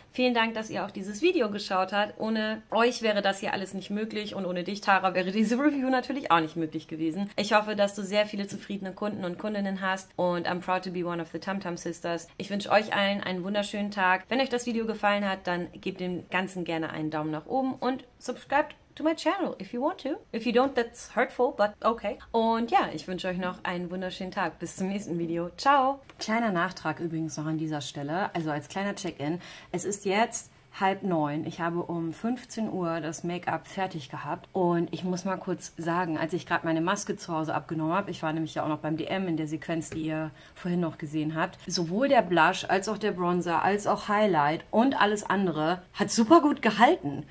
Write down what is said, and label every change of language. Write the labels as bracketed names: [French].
[German] Vielen Dank, dass ihr auch dieses Video geschaut habt. Ohne euch wäre das hier alles nicht möglich und ohne dich, Tara, wäre diese Review natürlich auch nicht möglich gewesen. Ich hoffe, dass du sehr viele zufriedene Kunden und Kundinnen hast und [English] I'm proud to be one of the TumTum Sisters. [German] Ich wünsche euch allen einen wunderschönen Tag. Wenn euch das Video gefallen hat, dann gebt dem Ganzen gerne einen Daumen nach oben und [English] subscribed to my channel, if you want to. If you don't, that's hurtful, but okay. [German] Und ja, ich wünsche euch noch einen wunderschönen Tag. Bis zum nächsten Video. Ciao! Kleiner Nachtrag übrigens noch an dieser Stelle, also als kleiner Check-in. Es ist jetzt 8:30. Ich habe um 15 Uhr das Make-up fertig gehabt und ich muss mal kurz sagen, als ich gerade meine Maske zu Hause abgenommen habe, ich war nämlich ja auch noch beim DM in der Sequenz, die ihr vorhin noch gesehen habt, sowohl der Blush als auch der Bronzer als auch Highlight und alles andere hat super gut gehalten.